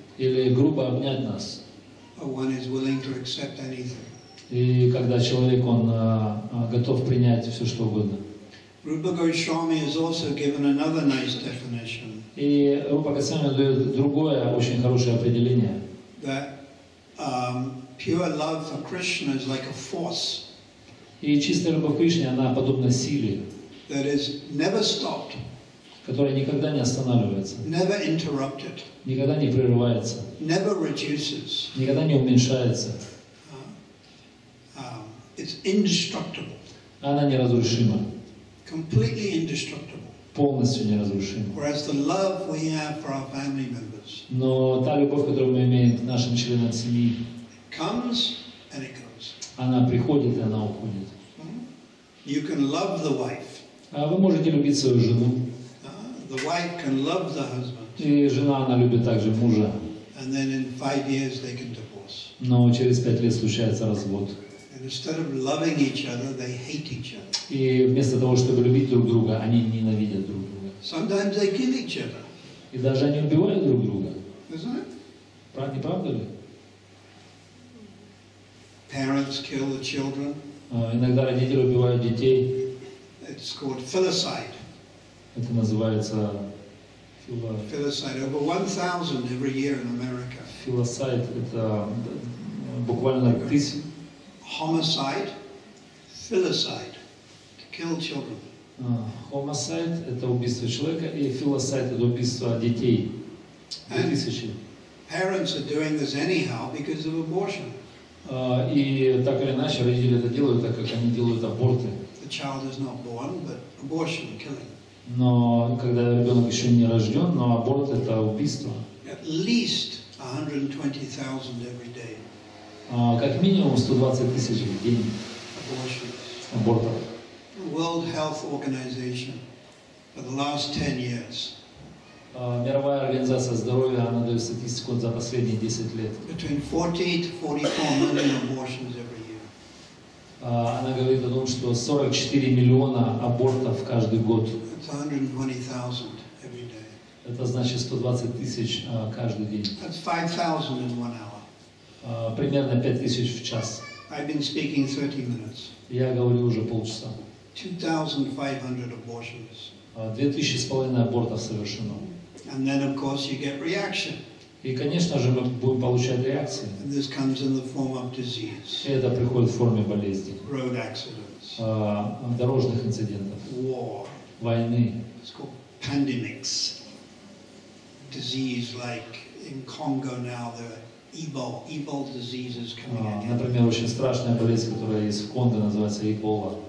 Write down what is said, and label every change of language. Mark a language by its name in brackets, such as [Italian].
[Russian] Или грубо обнять нас. [English] But one is willing to accept anything. [Russian] И когда человек готов принять все что угодно. [English] Rupa Goswami has also given another nice definition. [Russian] И Рупа Госвами дает другое очень хорошее определение. [English] That pure love for Krishna is like a force. [Russian] И чистая любовь к Кришне, она подобна силе. [English] That is never stopped. [Russian] Которая никогда не останавливается. [English] Never interrupted. [Russian] Никогда не прерывается. [English] Never reduces. [Russian] Никогда не уменьшается. [English] It's indestructible. [Russian] Она неразрушима. [English] Completely indestructible. [Russian] Полностью неразрушима. [English] Whereas the love we have for our family members. [Russian] Но та любовь, которую мы имеем к нашим членам семьи. [English] Comes and it goes. [Russian] Она приходит и она уходит. [English] You can love the wife. [Russian] Вы можете любить свою жену. [English] The wife can love the husband. [Russian] И жена она любит также мужа. [English] And then in 5 years they can divorce. [Russian] Но через 5 лет случается развод. [English] And instead of loving each other, they hate each other. [Russian] И вместо того чтобы любить друг друга, они ненавидят друг друга. [English] Sometimes they kill each other. [Russian] И даже они убивают друг друга. [English] Isn't it? [Russian] Не правда ли? [English] Parents kill the children. [Russian] Иногда родители убивают детей. [English] It's called filicide. [Russian] Это называется [English] филосайд. Over 1,000 every year in America. [Russian] Филосайд это буквально тысяча. [English] Homicide, filicide, to kill children. [Russian] Homicide это убийство человека и филосайд это убийство детей. Тысячи. [English] Parents are doing this anyhow because of abortion. [Russian] И так или иначе родители это делают, так как они делают аборты. [English] The child is not born, but abortion, killing. [Russian] Но когда ребенок еще не рожден, но аборт это убийство. [English] At least 120,000 every day. [Russian] Как минимум 120 тысяч в день. Абортов. [English] World Health Organization for the last 10 years. [Russian] Мировая организация здоровья она дает статистику за последние 10 лет. [English] Between 40 to 44 million abortions every year. [Russian] Она говорит о том, что 44 миллиона абортов каждый год. [English] 120,000 every day. [Russian] Это значит 120 тысяч каждый день. [English] That's 5,000 in 1 hour. [Russian] Примерно 5,000 в час. [English] I've been speaking 30 minutes. [Russian] Я говорю уже полчаса. [English] 2,500 abortions. [Russian] 2,500 абортов совершено. [English] And then, of course, you get reaction. [Russian] И, конечно же, мы будем получать реакции. [English] And this comes in the form of disease. [Russian] Это приходит в форме болезни. [English] Road accidents. [Russian] Дорожных инцидентов. [English] War. [Russian] Войны. [English] It's called pandemics. Disease like in Congo now, there are Ebola diseases coming out. [Russian] Например, очень страшная болезнь, которая есть в Конго, называется Ebola.